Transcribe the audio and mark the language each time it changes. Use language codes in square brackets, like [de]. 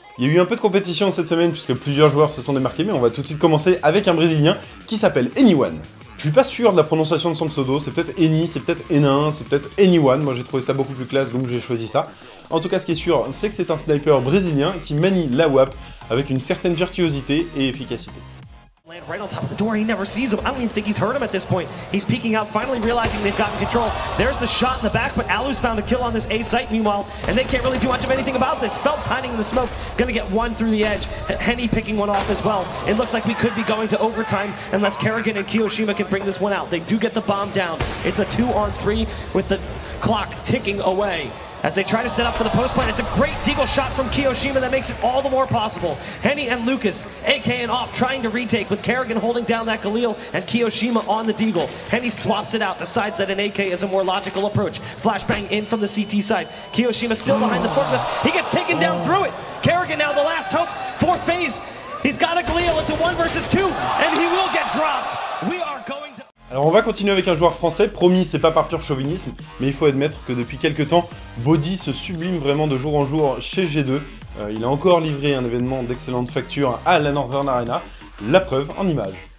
[fr] Il y a eu un peu de compétition cette semaine, puisque plusieurs joueurs se sont démarqués, mais on va tout de suite commencer avec un Brésilien qui s'appelle Anyone. Je suis pas sûr de la prononciation de son pseudo, c'est peut-être Any, c'est peut-être Enin, c'est peut-être Anyone, moi j'ai trouvé ça beaucoup plus classe, donc j'ai choisi ça. En tout cas, ce qui est sûr, c'est que c'est un sniper brésilien qui manie la WAP avec une certaine virtuosité et efficacité. [en] Right on top of the door, he never sees him. I don't even think he's heard him at this point. He's peeking out, finally realizing they've gotten control. There's the shot in the back, but Alu's found a kill on this A site meanwhile, and they can't really do much of anything about this. Phelps hiding in the smoke, gonna get one through the edge. Henny picking one off as well. It looks like we could be going to overtime unless Kerrigan and Kiyoshima can bring this one out. They do get the bomb down. It's a 2-on-3 with the clock ticking away. As they try to set up for the post plant, it's a great deagle shot from Kiyoshima that makes it all the more possible. Henny and Lucas, AK and Op, trying to retake with Kerrigan holding down that Galil and Kiyoshima on the deagle. Henny swaps it out, decides that an AK is a more logical approach. Flashbang in from the CT side. Kiyoshima still behind the forklift. He gets taken down through it. Kerrigan now the last hope for FaZe. He's got a Galil. It's a 1v2 and he will get dropped. We are going to... [fr] Alors on va continuer avec un joueur français, promis c'est pas par pur chauvinisme, mais il faut admettre que depuis quelques temps, Body se sublime vraiment de jour en jour chez G2. Il a encore livré un événement d'excellente facture à la Northern Arena, la preuve en image.